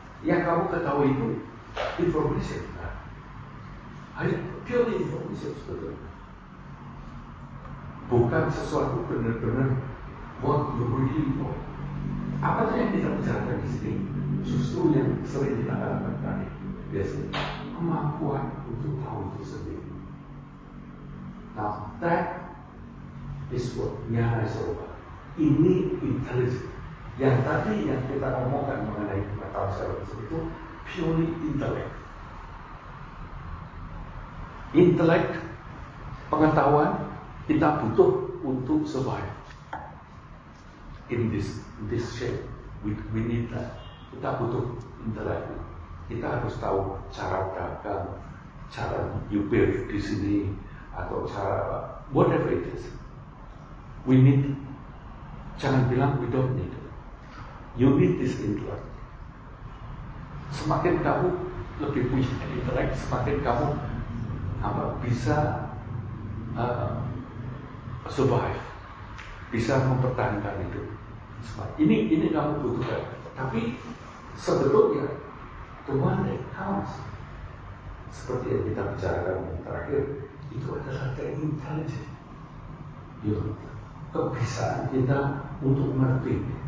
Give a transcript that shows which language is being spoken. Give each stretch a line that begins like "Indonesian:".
Indonesian: Yang kamu ketahui itu information. Hanya purely information sebetulnya.
English: Bukan sesuatu benar-benar what you really know.
Indonesian: Apa saja yang kita bicarakan di sini? Justru yang sering kita alami tadi, biasanya kemampuan untuk tahu itu sendiri.
English: Now that is what Nyaya Soba.
Indonesian: Ini intelligence. Yang tadi yang kita omongkan mengenai mental service itu purely intellect.
English: Intellect,
Indonesian: pengetahuan kita butuh untuk
English: survive in this shape. We need that.
Indonesian: Kita butuh intellect. Kita harus tahu cara dagang, cara nyupir di sini, atau cara whatever it is. We need.
English: Jangan bilang we don't need it. You need this intellect.
Indonesian: Semakin kamu lebih punya intellect, semakin kamu bisa survive, bisa mempertahankan hidup. Ini kamu butuhkan. Tapi sebetulnya the one that counts, seperti yang kita bicarakan yang terakhir, itu adalah the intelligence, you know, kebiasaan kita untuk mengerti.